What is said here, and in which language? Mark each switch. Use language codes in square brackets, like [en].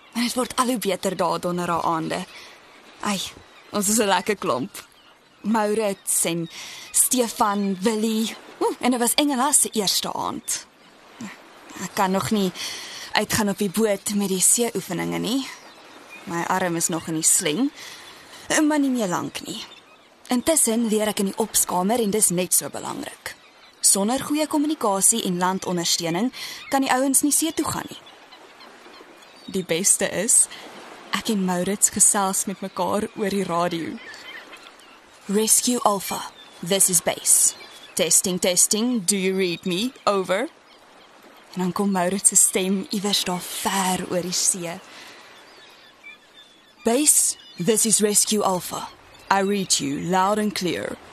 [af] En het word al hoe beter daar donder haar aande. Ai, ons is 'n lekker klomp. Maurits en Stefan, Willy. En dit was Engela se eerste aand. Ek kan nog nie uitgaan op die boot met die seeoefeninge nie. My arm is nog in die sling. Maar nie meer lank nie. Intussen leer ek in die opskamer en dis net so belangrik. Sonder goeie kommunikasie en landondersteuning kan die ouens nie see toe gaan nie. Die beste is, ek en Maurits gesels met mekaar oor die radio. [en] Rescue Alpha, this is base. Testing, testing, do you read me? Over. [af] En dan kom Maurits se stem iewers daar ver oor die see. [en] Base, this is Rescue Alpha. I read you loud and clear.